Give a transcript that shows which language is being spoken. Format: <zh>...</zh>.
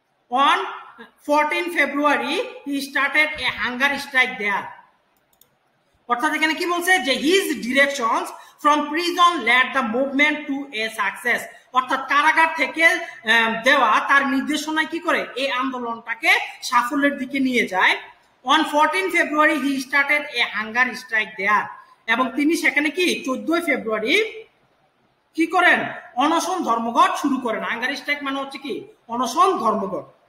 <en>On 14 February, he started a hunger strike there.</en> <bn>অর্থাৎ এখানে কি বলছে যে</bn> <en>his directions from prison led the movement to a success.</en> <bn>অর্থাৎ কারাগার থেকে দেওয়া তার নির্দেশনায় কি করে এই আন্দোলনটাকে সাফল্যের দিকে নিয়ে যায়।</bn> <en>On 14 February, he started a hunger strike there.</en> <bn>এবং তিনি সেখানে কি 14 ফেব্রুয়ারি কি করেন অনশন ধর্মঘট শুরু করেন, হাঙ্গার স্ট্রাইক মানে হচ্ছে কি অনশন ধর্মঘট।</bn>